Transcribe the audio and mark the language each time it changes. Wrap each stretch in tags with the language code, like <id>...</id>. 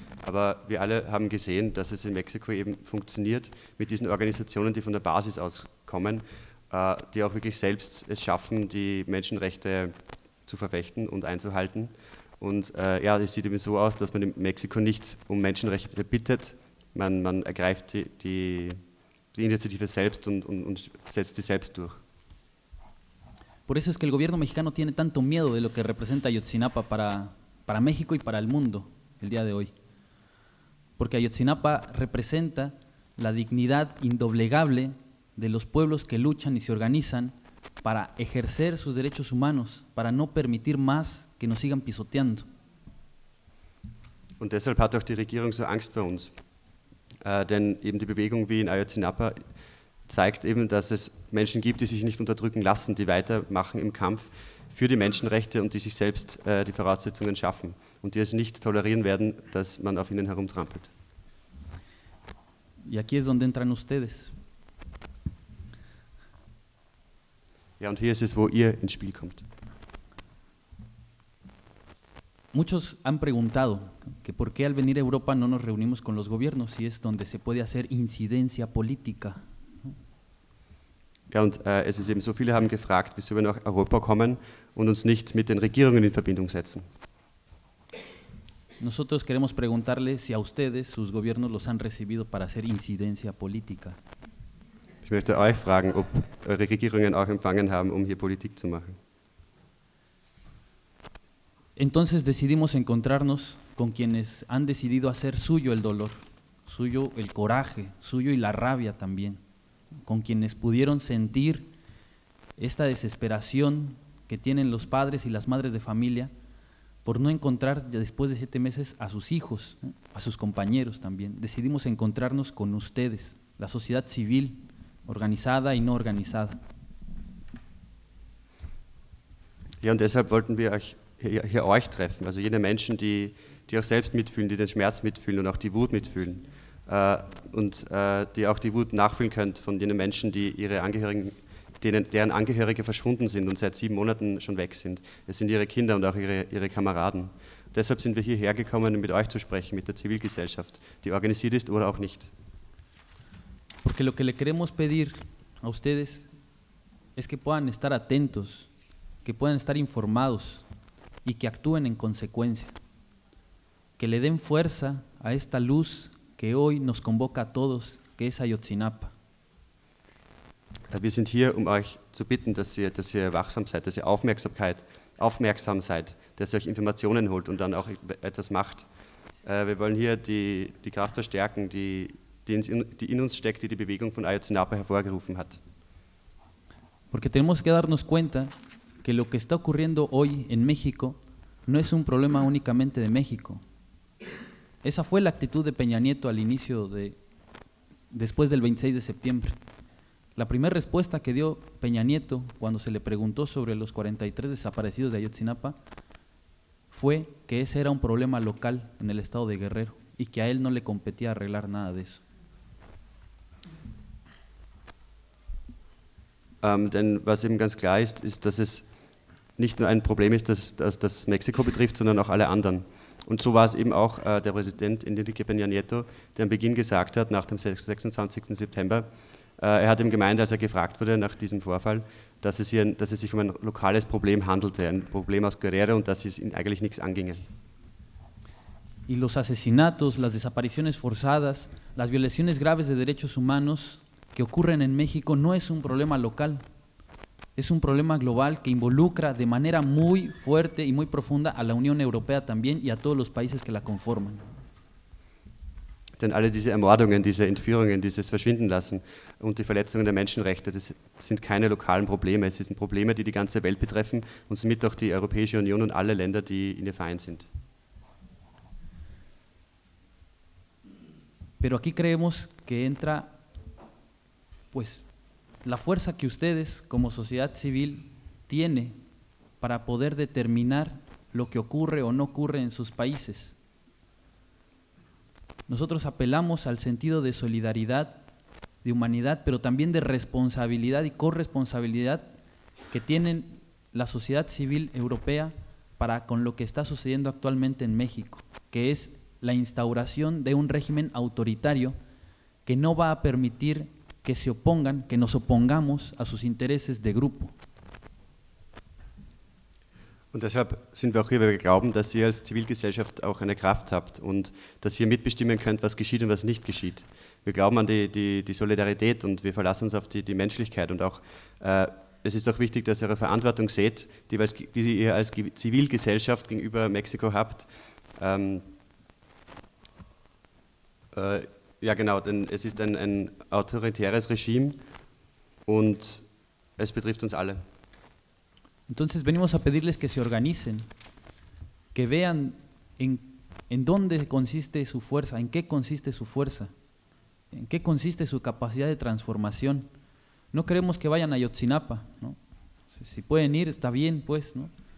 <de>Aber wir alle haben gesehen, dass es in Mexiko eben funktioniert mit diesen Organisationen, die von der Basis aus kommen, die auch wirklich selbst es schaffen, die Menschenrechte zu verfechten und einzuhalten. Und ja, es sieht eben so aus, dass man in Mexiko nicht um Menschenrechte bittet. Man ergreift die Initiative selbst und setzt sie selbst durch.</de> <es>Por eso es que el gobierno mexicano tiene tanto miedo de lo que representa Ayotzinapa para México y para el mundo el día de hoy. Porque Ayotzinapa representa la dignidad indoblegable de los pueblos que luchan y se organizan para ejercer sus derechos humanos, para no permitir más que nos sigan pisoteando.</es> <de>Und deshalb hat auch die Regierung so Angst vor uns. Denn eben die Bewegung wie in Ayotzinapa zeigt eben, dass es Menschen gibt, die sich nicht unterdrücken lassen, die weitermachen im Kampf für die Menschenrechte und die sich selbst die Voraussetzungen schaffen und die es nicht tolerieren werden, dass man auf ihnen herumtrampelt.</de> <es>Y aquí es donde entran ustedes.</es> <de>Ja, und hier ist es, wo ihr ins Spiel kommt.</de> <es>Muchos han preguntado que por qué al venir a Europa no nos reunimos con los gobiernos, si es donde se puede hacer incidencia política.</es> <de>Ja, und es ist eben so, viele haben gefragt, wieso wir nach Europa kommen und uns nicht mit den Regierungen in Verbindung setzen.</de> <es>Nosotros queremos preguntarle si a ustedes sus gobiernos los han recibido para hacer incidencia política.</es> <de>Ich möchte euch fragen, ob eure Regierungen auch empfangen haben, um hier Politik zu machen.</de> <es>Entonces decidimos encontrarnos con quienes han decidido hacer suyo el dolor, suyo el coraje, suyo y la rabia también. Con quienes pudieron sentir esta desesperación que tienen los padres y las madres de familia por no encontrar después de 7 meses a sus hijos, a sus compañeros también. Decidimos encontrarnos con ustedes, la sociedad civil, organizada y no organizada.</es> <de>Ja, und deshalb wollten wir euch treffen, also jene Menschen, die auch selbst mitfühlen, die den Schmerz mitfühlen und auch die Wut mitfühlen. Die auch die Wut nachfühlen könnt von jenen Menschen, die ihre Angehörigen, deren Angehörige verschwunden sind und seit 7 Monaten schon weg sind. Es sind ihre Kinder und auch ihre Kameraden. Deshalb sind wir hierher gekommen, um mit euch zu sprechen, mit der Zivilgesellschaft, die organisiert ist oder auch nicht.</de> <es>Porque lo que le queremos pedir a ustedes es que puedan estar atentos, que puedan estar informados y que actúen en consecuencia. Que le den fuerza a esta luz que hoy nos convoca a todos, que es Ayotzinapa.</es> <de>Wir sind hier, um euch zu bitten, dass ihr wachsam seid, dass ihr aufmerksam seid, dass ihr euch Informationen holt und dann auch etwas macht. Wir wollen hier die Kraft verstärken, die in uns steckt, die Bewegung von Ayotzinapa hervorgerufen hat.</de> <es>Porque tenemos que darnos cuenta que lo que está ocurriendo hoy en México no es un problema únicamente de México. Esa fue la actitud de Peña Nieto al inicio de, después del 26 de septiembre. La primera respuesta que dio Peña Nieto cuando se le preguntó sobre los 43 desaparecidos de Ayotzinapa fue que ese era un problema local en el estado de Guerrero y que a él no le competía arreglar nada de eso.</es> <de>Denn was eben ganz klar ist, ist, dass es nicht nur ein Problem ist, das Mexiko betrifft, sondern auch alle anderen. Und so war es eben auch der Präsident Enrique Peña Nieto, der am Beginn gesagt hat, nach dem 26. September, er hat ihm gemeint, als er gefragt wurde nach diesem Vorfall, dass es sich um ein lokales Problem handelte, ein Problem aus Guerrero und dass es ihn eigentlich nichts anginge.</de> <es>Y los asesinatos, las desapariciones forzadas, las violaciones graves de derechos humanos que ocurren en México no es un problema local. Es un problema global que involucra de manera muy fuerte y muy profunda a la Unión Europea también y a todos los países que la conforman.</es> <de>Denn alle diese Ermordungen, diese Entführungen, dieses Verschwindenlassen und die Verletzungen der Menschenrechte, das sind keine lokalen Probleme. Es sind Probleme, die die ganze Welt betreffen und somit auch die Europäische Union und alle Länder, die in ihr vereint sind.</de> <es>Pero aquí creemos que entra, pues, la fuerza que ustedes como sociedad civil tiene para poder determinar lo que ocurre o no ocurre en sus países. Nosotros apelamos al sentido de solidaridad, de humanidad, pero también de responsabilidad y corresponsabilidad que tienen la sociedad civil europea para con lo que está sucediendo actualmente en México, que es la instauración de un régimen autoritario que no va a permitir que se opongan, que nos opongamos a sus intereses de grupo.</es> <de>Und deshalb sind wir auch hier, weil wir glauben, dass ihr als Zivilgesellschaft auch eine Kraft habt und dass ihr mitbestimmen könnt, was geschieht und was nicht geschieht. Wir glauben an die Solidarität und wir verlassen uns auf die Menschlichkeit. Und auch es ist auch wichtig, dass ihr eure Verantwortung seht, die ihr als Zivilgesellschaft gegenüber Mexiko habt. Denn es ist ein autoritäres Regime und es betrifft uns alle.</de> <es>Entonces venimos a pedirles que se organicen, que vean en dónde consiste su fuerza, en qué consiste su fuerza, en qué consiste su capacidad de transformación. No queremos que vayan a Ayotzinapa, ¿no? Si pueden ir, está bien, pues, ¿no?</es>